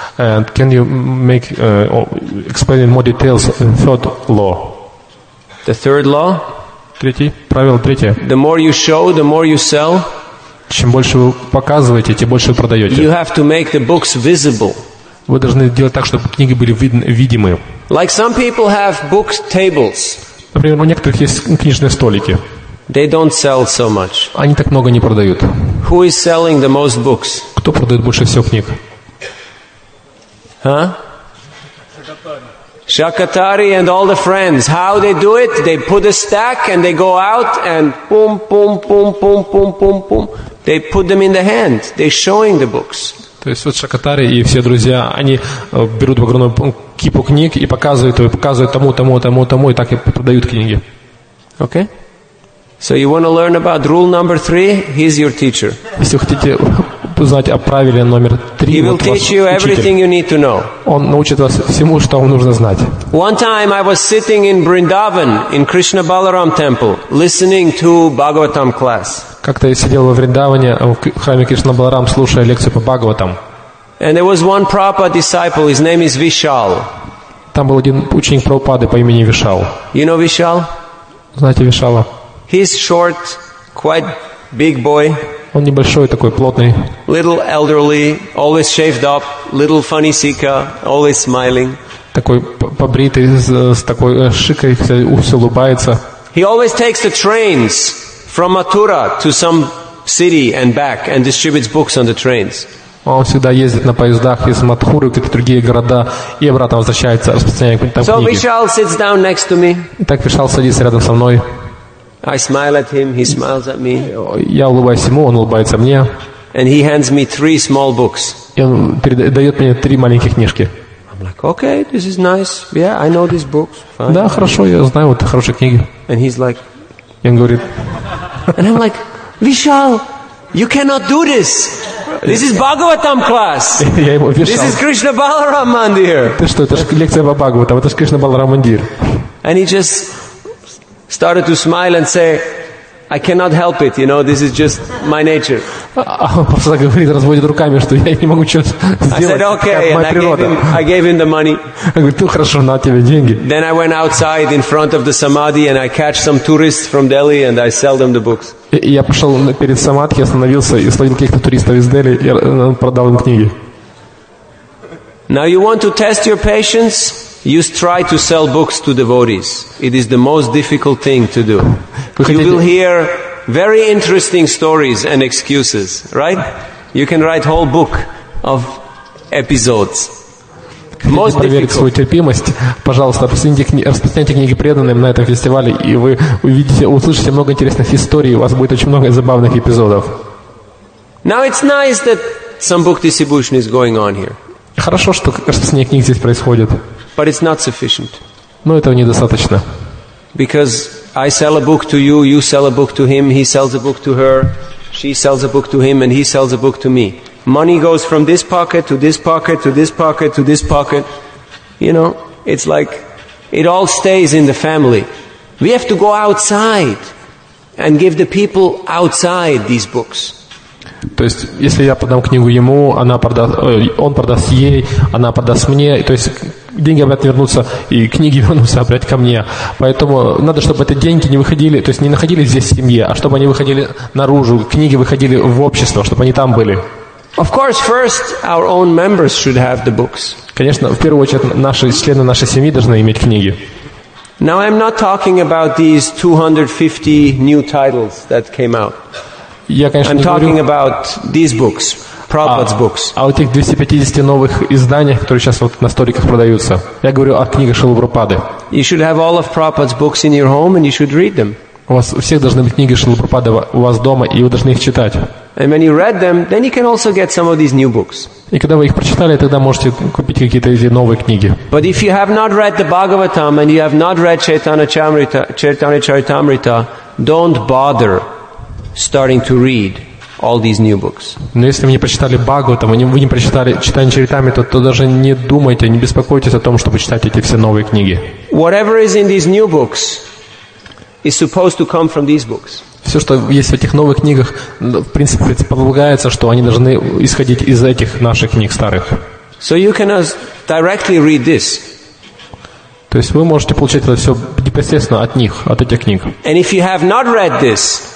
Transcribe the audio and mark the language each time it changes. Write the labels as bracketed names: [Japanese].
[English] And can you make explain in more details the third law? The third law. [Russian] Третий, правило третье. [English] The more you show, the more you sell. [Russian] Чем больше вы показываете, тем больше вы продаете. [English] You have to make the books visible. [Russian] Вы должны делать так, чтобы книги были видимы. [English] Like some people have book tables. [Russian] Например, у некоторых есть книжные столики. [English] They don't sell so much. [Russian] Они так много не продают. [English] Who is selling the most books? [Russian] Кто продает больше всего книг? [English] Huh? Shakatari and all the friends. How they do it? They put a stack and they go out and boom, boom, boom, boom, boom, boom, boom. They put them in the hand. They're showing the books. [Russian] То есть вот Шакатари и все друзья, они берут огромную кипу книг и показывают тому, тому, тому, тому, и так и продают книги. [English] Okay. So you want to learn about rule number three? He's your teacher. [Russian] Если хотите знать о правиле номер три. [English] He will teach you everything you need to know. [Russian] Он научит вас всему, что вам нужно знать. [English] One time I was sitting in Vrindavan in Krishna Balaram temple listening to Bhagavatam class. [Russian] Как-то я сидел во Вриндаване в храме Кришна Баларам, слушая лекцию по Бхагаватам. [English] And there was one Prabhupada disciple, his name is Vishal. [Russian] Там был один ученик Прабхупады по имени Вишал. [English] You know Vishal? [Russian] Знаете Вишала? [English] He's short, quite big boy. [Russian] Он небольшой такой, плотный. [English] Little elderly, always shaved up, little funny sika, always smiling. [Russian] Такой побритый, с такой шикой, все улыбается. [English] He always takes the trains from Mathura to some city and back and distributes books on the trains. [Russian] Он всегда ездит на поездах из Матхуры в какие-то другие города и обратно возвращается, распространяет какие-то книги. [English] So Vishal sits down next to me. [Russian] Так Вишал садится рядом со мной. [English] I smile at him, he smiles at me. [Russian] Я улыбаюсь ему, он улыбается мне. [English] And he hands me three small books. [Russian] И он дает мне три маленьких книжки. [English] I'm like, okay, this is nice. Yeah, I know these books. Fine. [Russian] Да, хорошо, я знаю, вот хорошие книги. [English] And he's like, [Russian] и он говорит, [English] and I'm like, Vishal, you cannot do this. This is Bhagavatam class. [Russian] Я ему Вишал. [English] This is Krishna Balaram Mandir. [Russian] Ты что, это же лекция по Бхагаватам, это же Кришна Баларам Мандир. [English] And he just started to smile and say, I cannot help it, you know, this is just my nature. [Russian] А он просто говорит, разводит руками, что я не могу что-то сделать. [English] I said, okay, and I gave him the money. [Russian] Я говорю, ты хорошо, на тебе деньги. [English] Then I went outside in front of the Samadhi and I catch some tourists from Delhi and I sell them the books. [Russian] И я пошел перед Самадхи, остановился и словил каких-то туристов из Дели и продал им книги. [English] Now you want to test your patience? You try to sell books to devotees. It is the most difficult thing to do. You will hear very interesting stories and excuses, right? You can write whole book of episodes. Most difficult. [Russian] Свою терпимость, пожалуйста, распространяйте книги преданным на этом фестивале, и вы увидите, услышите много интересных историй, у вас будет очень много забавных эпизодов. [English] Now it's nice that some book distribution is going on here. [Russian] Хорошо, что распространение книг здесь происходит. [English] But it's not sufficient. [Russian] Но этого недостаточно. [English] Because I sell a book to you, you sell a book to him, he sells a book to her, she sells a book to him, and he sells a book to me. Money goes from this pocket to this pocket to this pocket to this pocket. You know, it's like it all stays in the family. We have to go outside and give the people outside these books. [Russian] То есть, если я продам книгу ему, она продаст, он продаст ей, она продаст мне. То есть деньги обратно вернутся, и книги вернутся опять ко мне. Поэтому надо, чтобы эти деньги не выходили, то есть не находились здесь в семье, а чтобы они выходили наружу, книги выходили в общество, чтобы они там были. [English] Of course, first our own members should have the books. [Russian] Конечно, в первую очередь, наши члены нашей семьи должны иметь книги. [English] Now I'm not talking about these 250 new titles that came out. [Russian] Я, конечно, [English] I'm [Russian] не [English] talking [Russian] говорю [English] about these books. Prabhupada's books. [Russian] А вот этих 250 новых изданиях, которые сейчас вот на столиках продаются. Я говорю о книгах Шрилы Прабхупады. [English] You should have all of Prabhupada's books in your home and you should read them. [Russian] У вас у всех должны быть книги Шрилы Прабхупады у вас дома, и вы должны их читать. [English] And when you read them, then you can also get some of these new books. [Russian] И когда вы их прочитали, тогда можете купить какие-то эти новые книги. [English] But if you have not read the Bhagavatam and you have not read Chaitanya Charitamrita, don't bother starting to read all these new books. [Russian] Но если вы не прочитали Бхагаватам, вы не прочитали Чайтанья Чаритамриту, то даже не думайте, не беспокойтесь о том, чтобы читать эти все новые книги. [English] Whatever is in these new books is supposed to come from these books. [Russian] Все, что есть в этих новых книгах, в принципе, предполагается, что они должны исходить из этих наших книг старых. [English] So you can directly read this. [Russian] То есть вы можете получать это все непосредственно от них, от этих книг. [English] And if you have not read this,